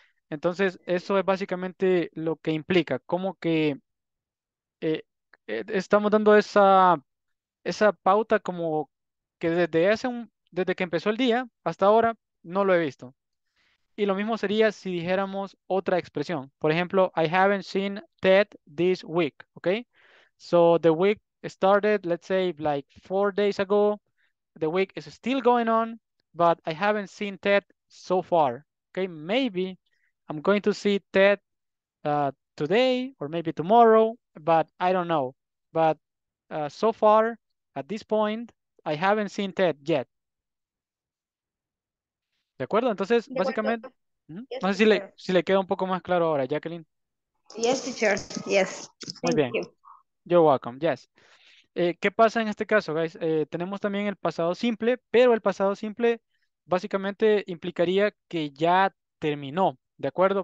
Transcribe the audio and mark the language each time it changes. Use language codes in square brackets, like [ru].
[es] Entonces, eso es básicamente lo que implica, como que estamos dando esa pauta como que desde que empezó el día hasta ahora no lo he visto. Y lo mismo sería si dijéramos otra expresión. Por ejemplo, [en] I haven't seen Ted this week, okay? So the week started, let's say, like 4 days ago. The week is still going on, but I haven't seen Ted so far, okay? Maybe I'm going to see Ted today or maybe tomorrow, but I don't know. But so far, at this point, I haven't seen Ted yet. [es] ¿De acuerdo? Entonces, de básicamente, yes, no sé si le queda un poco más claro ahora, Jacqueline. [en] Yes, teacher. Yes. [es] Muy bien. [en] Thank you. You're welcome. Yes. [es] ¿Qué pasa en este caso, guys? Tenemos también el pasado simple, pero el pasado simple básicamente implicaría que ya terminó. ¿De acuerdo?